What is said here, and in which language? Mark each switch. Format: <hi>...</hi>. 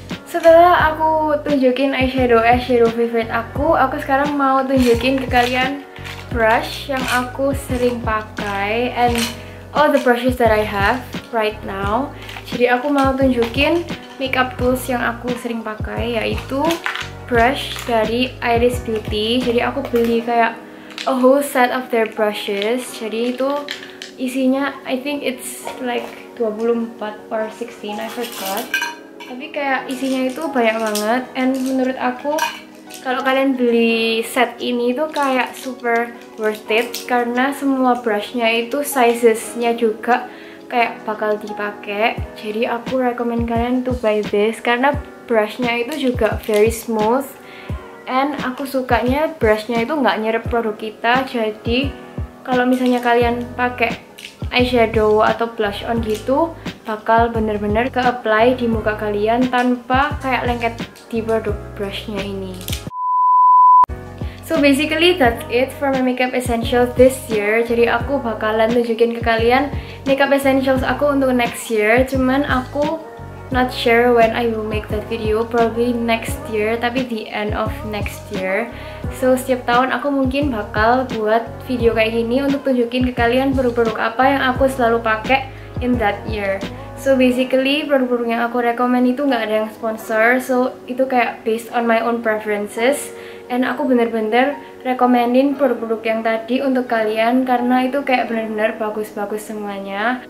<id>Setelah aku tunjukin eyeshadow favorite aku sekarang mau tunjukin ke kalian brush yang aku sering pakai</id> <en>and all the brushes that I have right now.</en> <id>Jadi aku mau tunjukin makeup tools yang aku sering pakai, yaitu brush dari Iris Beauty. Jadi aku beli kayak</id> <en>a whole set of their brushes.</en> <id>Jadi itu isinya</id> <en>I think it's like 24 or 16, I forgot.</en> <id>Tapi kayak isinya itu banyak banget. And menurut aku kalau kalian beli set ini tuh kayak super worth it karena semua brushnya itu sizesnya juga kayak bakal dipakai. Jadi aku recommend kalian</id> <en>to buy this</en> <id>karena brushnya itu juga very smooth. And aku sukanya brushnya itu nggak nyerep produk kita. Jadi kalau misalnya kalian pakai eyeshadow atau blush on gitu, bakal bener-bener ke-apply di muka kalian tanpa kayak lengket di produk brushnya ini.</id> <en>So basically that's it for my makeup essentials this year.</en> <id>Jadi aku bakalan tunjukin ke kalian makeup essentials aku untuk next year. Cuman aku</id> <en>not sure when I will make that video, probably next year, tapi the end of next year.</en> <id>So setiap tahun aku mungkin bakal buat video kayak gini untuk tunjukin ke kalian produk-produk apa yang aku selalu pakai</id> <en>in that year.</en> <id>So basically produk-produk yang aku rekomend itu nggak ada yang sponsor, so itu kayak</id> <en>based on my own preferences.</en> <id>And aku bener-bener rekomendin produk-produk yang tadi untuk kalian karena itu kayak bener-bener bagus-bagus semuanya.</id>